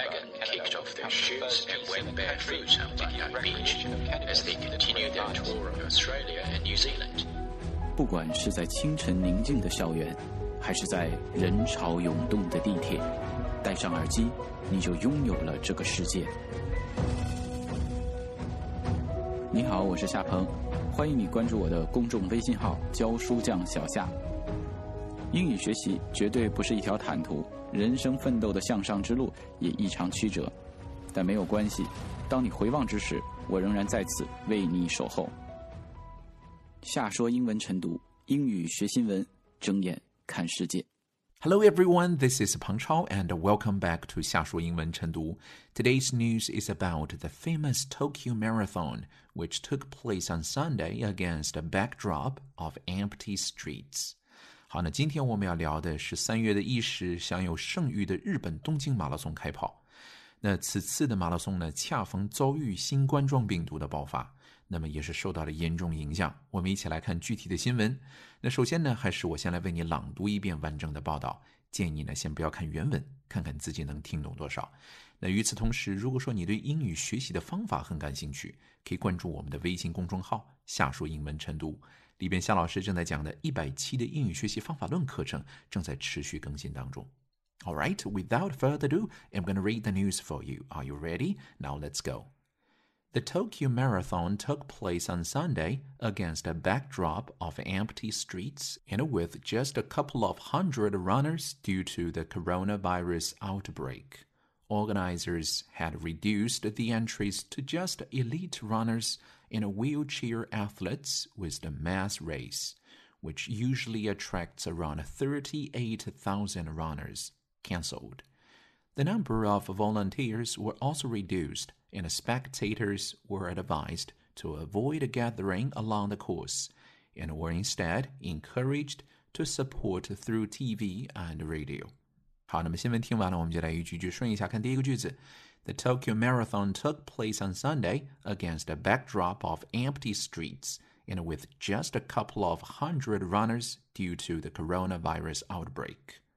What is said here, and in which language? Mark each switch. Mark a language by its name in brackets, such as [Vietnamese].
[English] Meghan kicked off their shoes and went barefoot on Bondi Beach as they continued their tour of Australia and New Zealand. [Chinese] 不管是在清晨宁静的校园，还是在人潮涌动的地铁，戴上耳机，你就拥有了这个世界。你好，我是夏鹏，欢迎你关注我的公众微信号“教书匠小夏”。英语学习绝对不是一条坦途，人生奋斗的向上之路也异常曲折，但没有关系，当你回望之时，我仍然在此为你守候。夏说英文晨读，英语学新闻，睁眼看世界。 [English] Hello everyone, this is Peng Chao and welcome back to 夏说英文晨读。 Today's news is about the famous Tokyo Marathon, which took place on Sunday against a backdrop of empty streets. [Chinese] 好，那今天我们要聊的是3月的伊始享有盛誉的日本东京马拉松开跑。那此次的马拉松呢，恰逢遭遇新冠状病毒的爆发，那么也是受到了严重影响。我们一起来看具体的新闻。那首先呢，还是我先来为你朗读一遍完整的报道，建议呢先不要看原文，看看自己能听懂多少。那与此同时，如果说你对英语学习的方法很感兴趣，可以关注我们的微信公众号夏说英文晨读，里边夏老师正在讲的100期的英语学习方法论课程正在持续更新当中。 [English] Alright, without further ado, I'm going to read the news for you. Are you ready? Now let's go. The Tokyo Marathon took place on Sunday against a backdrop of empty streets and with just a couple of hundred runners due to the coronavirus outbreak. Organizers had reduced the entries to just elite runners and wheelchair athletes with the mass race, which usually attracts around 38,000 runners. Cancelled. The number of volunteers were also reduced, and spectators were advised to avoid gathering along the course, and were instead encouraged to support through TV and radio. [Chinese] 好，那么新闻听完了，我们就来一句句顺一下看第一个句子。 [English] The Tokyo Marathon took place on Sunday against a backdrop of empty streets and with just a couple of hundred runners due to the coronavirus outbreak.